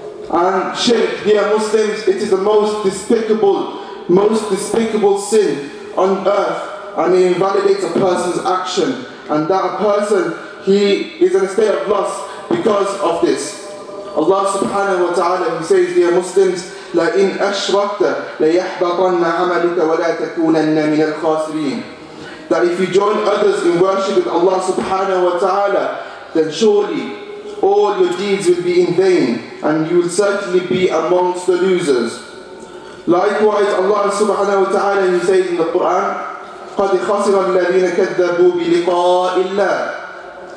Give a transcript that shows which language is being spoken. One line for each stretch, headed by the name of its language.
English: And shirk, dear Muslims, it is the most despicable sin on earth, and it invalidates a person's action, and that a person, he is in a state of loss because of this. Allah subhanahu wa ta'ala, he says, dear Muslims,
Arabic: لَا إِنْ أَشْرَكْتَ لَيَحْبَطَنَّ عَمَلُكَ وَلَا تَكُونَنَّ مِنَ الْخَاسِرِينَ.
English: That if you join others in worshiping Allah subhanahu wa ta'ala, then surely all your deeds will be in vain, and you will certainly be amongst the losers. Likewise, Allah subhanahu wa ta'ala, he says in the Quran,
Arabic: قَدْ خَسِرَ الَّذِينَ كَذَّبُوا بِلِقَاءِ اللَّهِ.